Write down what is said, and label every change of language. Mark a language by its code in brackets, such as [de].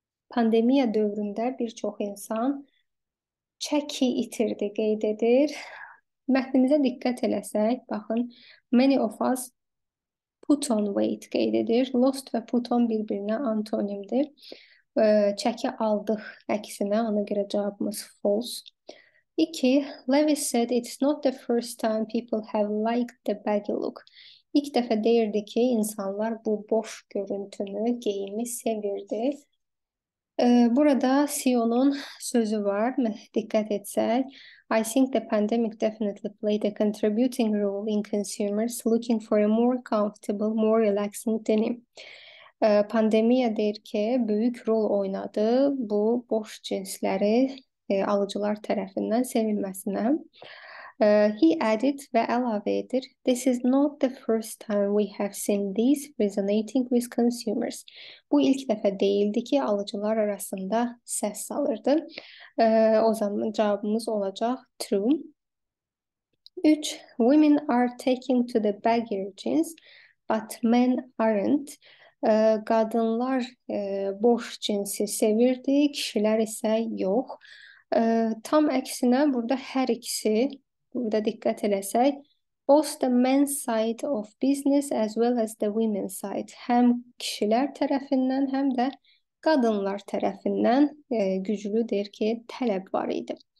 [az] Pandemiya dövründə bir çox insan çəki itirdi, qeyd edir. Mətnimizə diqqət eləsək, baxın, [en] many of us put on weight [az] qeyd edir. Lost və put on bir-birinə antonimdir. Çəki aldıq əksinə, ona görə cavabımız false. 2. [en] Lewis said it's not the first time people have liked the baggy look. [az] İlk dəfə deyirdi ki, insanlar bu boş görüntünü, geyimi sevirdi. Burada CEO'nun sözü var, diqqət etsək. [en] I think the pandemic definitely played a contributing role in consumers looking for a more comfortable, more relaxing denim. [az] Pandemiya deyir ki, böyük rol oynadı bu boş cinsləri alıcılar tərəfindən sevilməsinə. [en] He added [az] və əlavə edir, [en] this is not the first time we have seen this resonating with consumers. [az] Bu ilk dəfə deyildi ki, alıcılar arasında səs salırdı. O zaman cavabımız olacaq true. 3. [en] Women are taking to the baggier jeans, but men aren't. [az] Qadınlar boş cinsi sevirdi, kişilər isə yox. Tam əksinə burada hər ikisi, burada diqqət eləsək, [en] both the men's side of business as well as the women's side, [az] həm kişilər tərəfindən, həm də qadınlar tərəfindən güclüdür ki, tələb var idi.